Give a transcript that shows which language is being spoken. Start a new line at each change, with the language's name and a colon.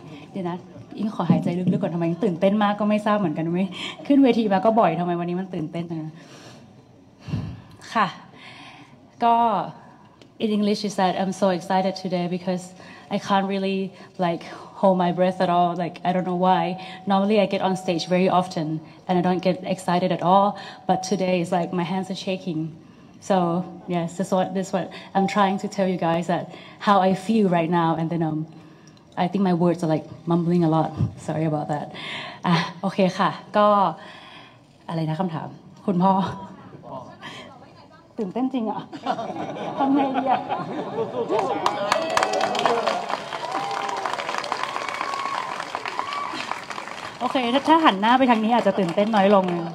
Thai: เดี๋ยวนะอิงขอหายใจลึกๆก่อนทำไมตื่นเต้นมากก็ไม่ทราบเหมือนกันไหมขึ้นเวทีมาก็บ่อยทำไมวันนี้มันตื่นเต้นจังค่ะก็
English: in English she said I'm so excited today because I can't really like hold my breath at all like I don't know why normally I get on stage very oftenAnd I don't get excited at all, but today is like my hands are shaking. So yes, this is what I'm trying to tell you guys that how I feel right now. And then I think my words are like mumbling a lot. Sorry about that.
Thai: Okay, ค่ะก็อะไรนะคำถามคุณพ่อตื่นเต้นจริงอ่ะทำไงดีอ่ะโอเคถ้าหันหน้าไปทางนี้อาจจะตื่นเต้นน้อยลง